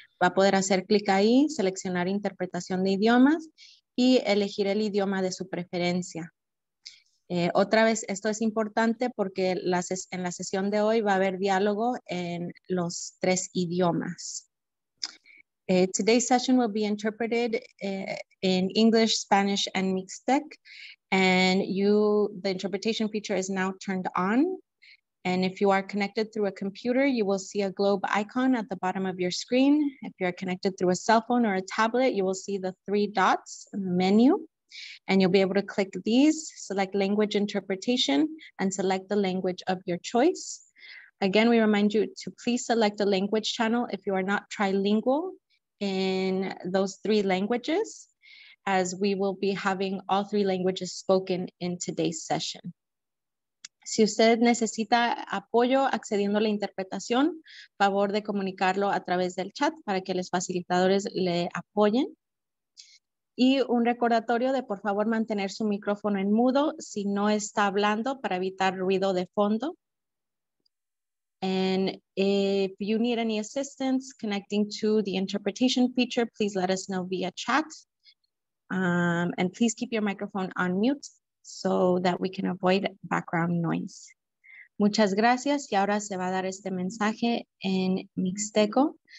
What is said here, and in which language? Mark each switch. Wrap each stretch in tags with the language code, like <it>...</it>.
<es>Va a poder hacer clic ahí, seleccionar interpretación de idiomas y elegir el idioma de su preferencia. Otra vez, esto es importante porque en la sesión de hoy va a haber diálogo en los tres idiomas.</es> <en>Today's session will be interpreted in English, Spanish, and Mixtec. And the interpretation feature is now turned on. And if you are connected through a computer, you will see a globe icon at the bottom of your screen. If you are connected through a cell phone or a tablet, you will see the three dots in the menu. And you'll be able to click these, select language interpretation, and select the language of your choice. Again, we remind you to please select a language channel if you are not trilingual in those three languages, as we will be having all three languages spoken in today's session.</en> <es>Si usted necesita apoyo accediendo a la interpretación, favor de comunicarlo a través del chat para que los facilitadores le apoyen. Y un recordatorio de por favor mantener su micrófono en mudo si no está hablando para evitar ruido de fondo.</es> <en>And if you need any assistance connecting to the interpretation feature, please let us know via chat. And please keep your microphone on mute so that we can avoid background noise.</en> <es>Muchas gracias. Y ahora se va a dar este mensaje en Mixteco.</es>